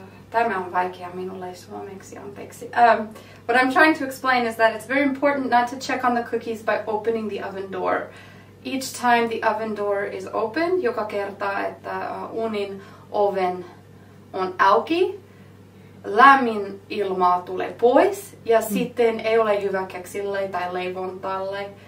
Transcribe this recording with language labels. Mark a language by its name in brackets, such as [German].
[Finnish] Tämä on vaikea minulle suomeksi, anteeksi. [English] What I'm trying to explain is that it's very important not to check on the cookies by opening the oven door. Each time the oven door is open, [Finnish] joka kerta, että uunin oven on auki, lämmin ilmaa tulee pois ja sitten ei ole hyvä keksille tai leivontalle.